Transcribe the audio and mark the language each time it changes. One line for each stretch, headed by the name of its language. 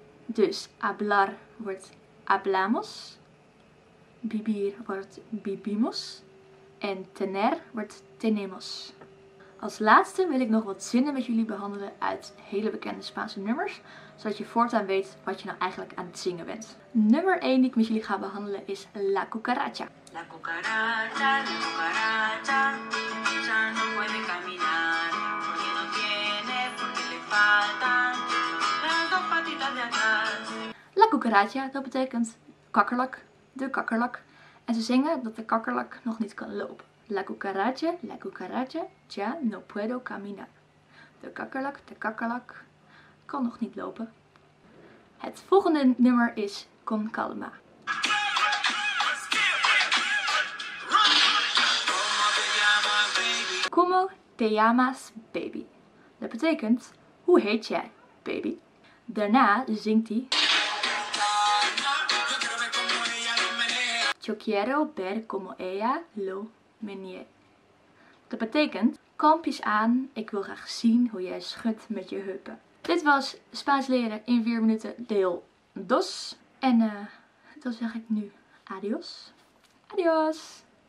Dutch: Dus hablar wordt hablamos, vivir wordt vivimos en tener wordt tenemos. Als laatste wil ik nog wat zinnen met jullie behandelen uit hele bekende Spaanse nummers, zodat je voortaan weet wat je nou eigenlijk aan het zingen bent. Nummer 1 die ik met jullie ga behandelen is La Cucaracha.
Spanish: La cucaracha, la cucaracha, ya no puede caminar, porque no tiene, porque le faltan las 2 patitas de atrás.
Dutch: La cucaracha, dat betekent kakkerlak, de kakkerlak. En ze zingen dat de kakkerlak nog niet kan lopen.
Spanish: La cucaracha, ya no puedo caminar.
Dutch: De kakkerlak, kan nog niet lopen. Het volgende nummer is Con Calma.
Spanish: ¿Cómo te llamas, baby?
Dutch: Dat betekent, hoe heet jij, baby? Daarna zingt hij.
Spanish: Yo quiero ver como ella lo menea.
Dutch: Dat betekent, kalmpjes aan, ik wil graag zien hoe jij schudt met je heupen. Dit was Spaans leren in 4 minuten, deel 2. En dan zeg ik nu adios. Adios!